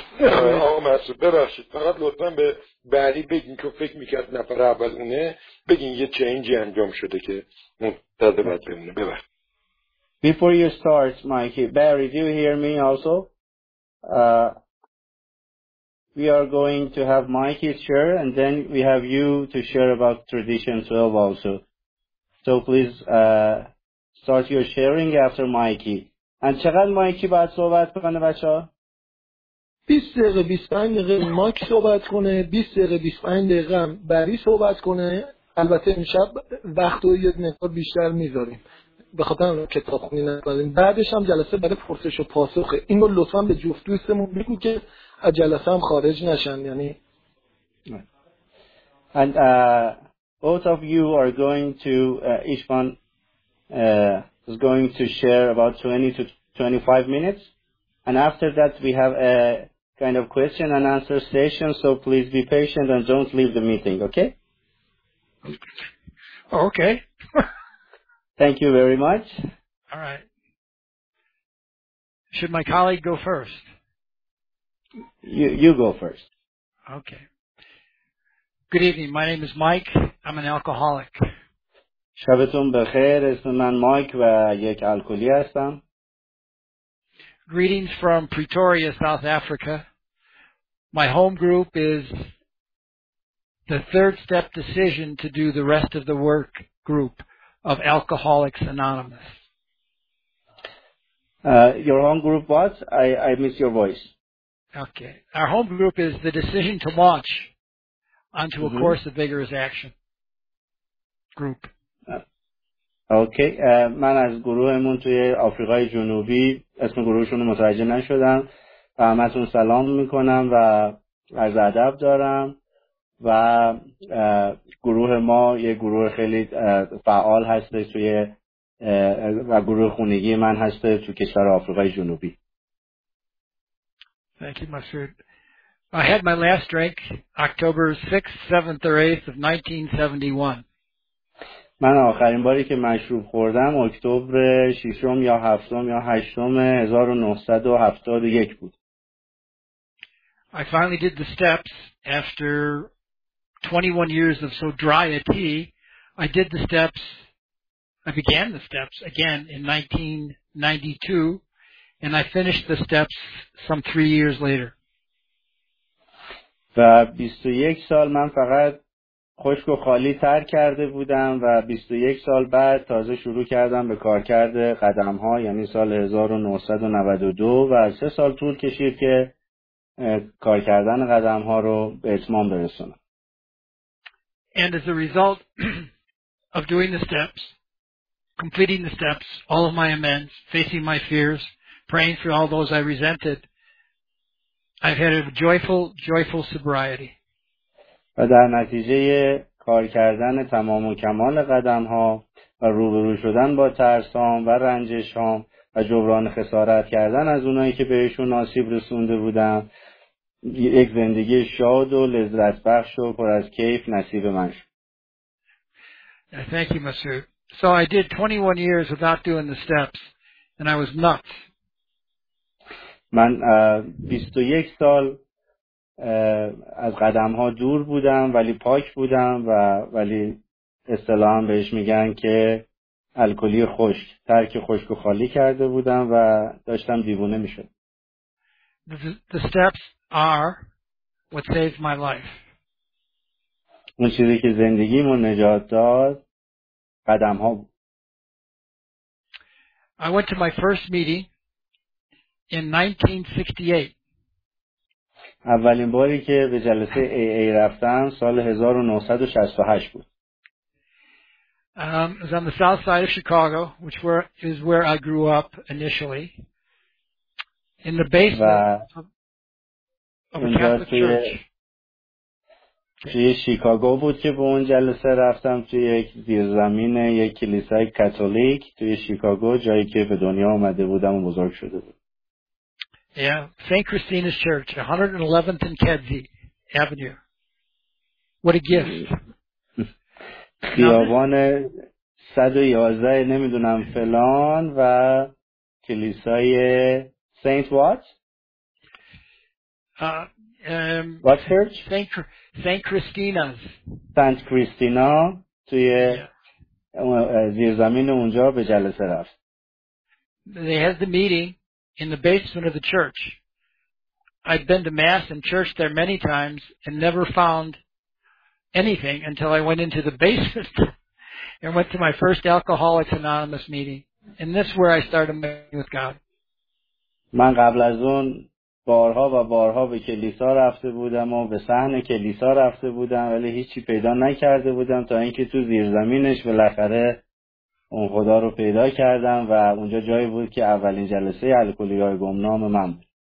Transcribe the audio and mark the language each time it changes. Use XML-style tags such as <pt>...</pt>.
<fa>آقا مسعود ببخشید، فقط لطفاً به بری بگین که فکر میکرد نفر اول اونه، بگین یه چینجی انجام شده که منتظر باید بمونه. ببخشید.</fa> <en>Before you start, Mikey, Barry, do you hear me also? We are going to have Mikey share and then we have you to share about Tradition 12 also. So please start your sharing after Mikey.</en> <fa>And چقدر Mikey باید صحبت کنه بچه ها؟ 20 دقیقه 25 دقیقه مایک صحبت کنه، 20 دقیقه 25 دقیقه هم بری صحبت کنه. البته امشب وقت رو یه مقدار بیشتر میذاریم به خاطر کتابخونی نکنیم. بعدش هم جلسه برای پرسش و پاسخه. اینو لطفا به جفت دوستمون بگو که از جلسه هم خارج نشن. یعنی</fa> <en>And both of you are going to each one is going to share about 20 to 25 minutes. And after that, we have a kind of question and answer session, so please be patient and don't leave the meeting, okay? Okay. Thank you very much. All right. Should my colleague go first? You go first. Okay. Good evening. My name is Mike. I'm an alcoholic.</en> <fa>شبتون بخیر. اسم من مایک و یک الکلی هستم.</fa> <en>Greetings from Pretoria, South Africa. My home group is the third step decision to do the rest of the work group of Alcoholics Anonymous. Your home group what? I miss your voice. Okay. Our home group is the decision to launch onto mm-hmm. a course of vigorous action group.</en> <fa>اوکی من از گروهمون توی آفریقای جنوبی اسم گروهشون رو متوجه نشدم. همتون سلام میکنم و عرض ادب دارم. و گروه ما یه گروه خیلی فعال هسته توی و گروه خونگی من هسته تو کشور آفریقای جنوبی.</fa> <en>Thank you, Masoud. I had my last drink October 6th, 7th, or 8th of 1971.</en> <fa>من آخرین باری که مشروب خوردم اکتبر 6 یا 7 یا 8 1971 بود.</fa> <en>I finally did the steps after 21 years of so dry a tea. I began the steps again in 1992. And I finished the steps some 3 years later.</en> <fa>و 21 سال من فقط خشک و خالی تر کرده بودم و 21 سال بعد تازه شروع کردم به کار کرده قدم ها، یعنی سال 1992 و 3 سال طول کشید که کار کردن قدم ها رو به اتمام برسونم.</fa> <en>And as a result of doing the steps, completing the steps, all of my amends, facing my fears, praying for all those I resented, I've had a joyful, joyful sobriety.</en> <fa>و در نتیجه کار کردن تمام و کمال قدم ها و روبرو شدن با ترس هام و رنجش هام و جبران خسارت کردن از اونایی که بهشون آسیب رسونده بودم، یک زندگی شاد و لذت بخش و پر از کیف نصیب من شد.</fa> <en>Thank you, Masoud. So I did 21 years without doing the steps, and I was nuts.</en> <fa>من 21 سال از قدم ها دور بودم ولی پاک بودم و ولی اصطلاحا بهش میگن که الکلی خشک، ترک خشک و خالی کرده بودم و داشتم دیوونه میشد.</fa> <en>The steps are what saved my life.</en> <fa>اون چیزی که زندگیمو نجات داد قدم ها بود.</fa> <en>I went to my first meeting in 1968.</en> <fa>اولین باری که به جلسه AA رفتم سال 1968 بود.</fa> <en>It was on the south side of Chicago, which is where I grew up initially. In the basement of a Catholic church.</en> <fa>توی شیکاگو بود که به اون جلسه رفتم، توی یک زیرزمین یک کلیسای کاتولیک توی شیکاگو، جایی که به دنیا اومده بودم و بزرگ شده بودم.</fa> <en>Yeah, St. Christina's Church, 111th and Kedzie Avenue. What a gift.</en> <fa>خیابان 111 نمیدونم فلان و کلیسای</fa> <en>Saint what? What church? St. Christina's. St.</en> <fa>Christina توی زیرزمین اونجا به جلسه رفت.</fa> <en>They had the meeting in the basement of the church. I'd been to mass and church there many times and never found anything until I went into the basement and went to my first Alcoholics Anonymous meeting. And this is where I started meeting with God.</en> <fa>من قبل از اون بارها و بارها به کلیسا رفته بودم و به صحن کلیسا رفته بودم، ولی هیچی پیدا نکرده بودم تا اینکه تو زیرزمینش بالاخره اون خدا رو پیدا کردم و اونجا جایی بود که اولین جلسه الکلی‌های گمنام من بود.</fa>